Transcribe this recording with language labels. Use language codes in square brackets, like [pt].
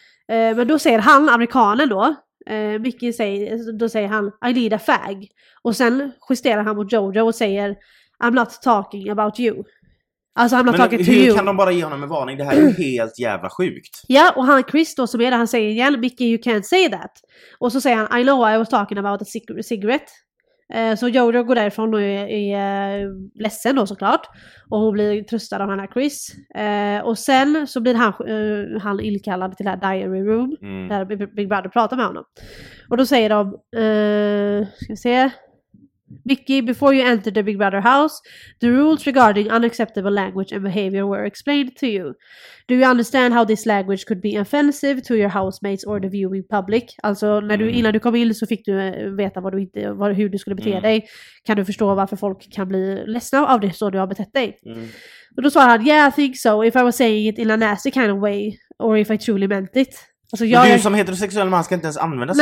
[sv] Men då säger han, amerikanen då, Mickey säger, då säger han, [en] I need a fag. [sv] Och sen justerar han mot Jojo och säger, [en] I'm not talking about you. [sv] Alltså, [en] I'm not talking to you. [sv] Men hur kan de bara ge honom en varning? Det här är helt jävla sjukt. Ja, och han, Chris då, som är där, han säger igen, Mickey, [en] you can't say that. [sv] Och så säger han, [en] I know I was talking about a cigarette. [sv] Så Jojo går därifrån och är ledsen då såklart. Och hon blir tröstad av den här Chris. Och sen så blir han illkallad till det här diary room. Mm. Där Big Brother pratar med honom. Och då säger de, ska vi se. [en] Mickey, before you entered the Big Brother house, the rules regarding unacceptable language and behavior were explained to you. Do you understand how this language could be offensive to your housemates or the viewing public? [sv] Alltså, när du, innan du kom in så fick du veta vad du inte, vad, hur du skulle bete dig. Kan du förstå varför folk kan bli ledsna av det så du har betett dig? Och då svarade han, [en] yeah, I think so. If I was saying it in a nasty kind of way, or if I truly meant it. [sv] Alltså jag, men du som heterosexuell man ska inte ens använda sånt.